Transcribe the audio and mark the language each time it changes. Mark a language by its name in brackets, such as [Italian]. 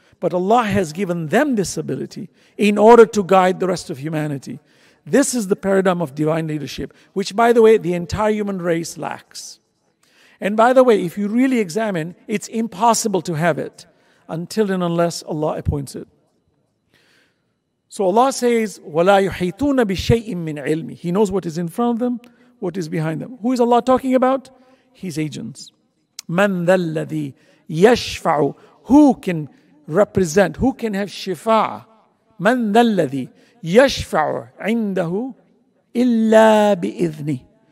[English] But Allah has given them this ability in order to guide the rest of humanity. This is the paradigm of divine leadership, which, by the way, the entire human race lacks. And by the way, if you really examine, it's impossible to have it until and unless Allah appoints it. So Allah says, [Arabic] وَلَا يُحِيطُونَ بِشَيْءٍ مِّنْ عِلْمِ. [English] He knows what is in front of them, what is behind them. Who is Allah talking about? His agents. [Arabic] مَنْ ذَا الَّذِي يَشْفَعُ. [English] Who can represent, who can have shifa'a? [Arabic] مَنْ ذَا الَّذِي يَشْفَعُ عِنْدَهُ إِلَّا بِإِذْنِ.